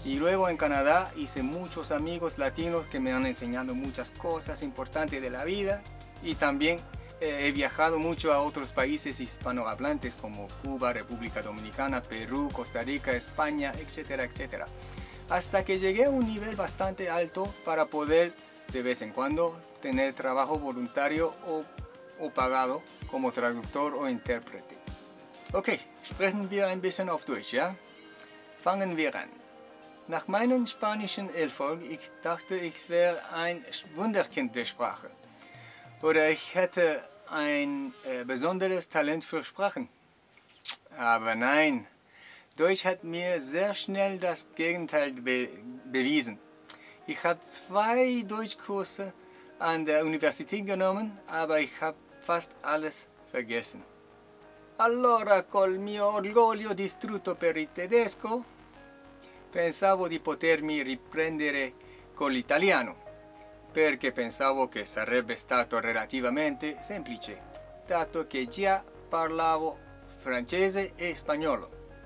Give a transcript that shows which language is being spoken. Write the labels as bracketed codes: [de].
[es] Y luego en Canadá hice muchos amigos latinos que me han enseñado muchas cosas importantes de la vida y también he viajado mucho a otros países hispanohablantes como Cuba, República Dominicana, Perú, Costa Rica, España, etcétera, etcétera. Hasta que llegué a un nivel bastante alto para poder de vez en cuando tener trabajo voluntario o pagado como traductor o intérprete. [de] Ok, sprechen wir ein bisschen auf Deutsch, ja? Fangen wir an. Nach meinem spanischen Erfolg, ich dachte, ich wäre ein Wunderkind der Sprache. Oder ich hätte ein besonderes Talent für Sprachen. Aber nein. Deutsch hat mir sehr schnell das Gegenteil bewiesen. Ich habe 2 Deutschkurse an der Universität genommen, aber ich habe fast alles vergessen. [it] Allora, col mio orgoglio distrutto per il tedesco, pensavo di potermi riprendere con l'italiano, perché pensavo che sarebbe stato relativamente semplice, dato che già parlavo francese e spagnolo.